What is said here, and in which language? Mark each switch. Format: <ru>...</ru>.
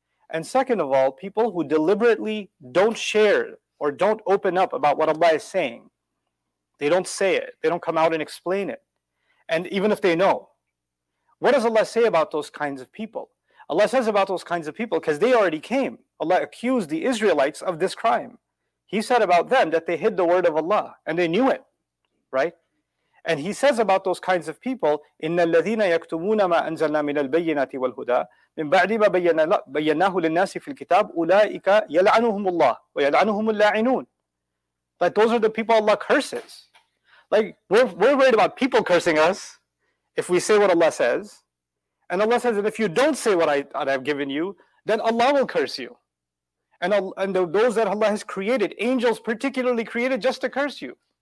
<en>And second of all, people who deliberately don't share or don't open up about what Allah is saying, they don't say it, they don't come out and explain it. And even if they know, what does Allah say about those kinds of people? Allah says about those kinds of people, because they already came. Allah accused the Israelites of this crime. He said about them that they hid the word of Allah, and they knew it, right?</en> <ar>And he says about those kinds of people, إِنَّ الَّذِينَ يَكْتُمُونَ مَا أَنزَلْنَا مِنَ الْبَيِّنَاتِ وَالْهُدَى مِن بَعْدِ مَا بَيَّنَّاهُ لِلنَّاسِ فِي الْكِتَابِ أُولَٰئِكَ يَلْعَنُهُمُ اللَّهُ وَيَلْعَنُهُمُ اللَّاعِنُونَ.</ar> <en>But those are the people Allah curses. Like, we're worried about people cursing us if we say what Allah says. And Allah says that if you don't say what I've given you, then Allah will curse you. And those that Allah has created, angels particularly created just to curse you.</en>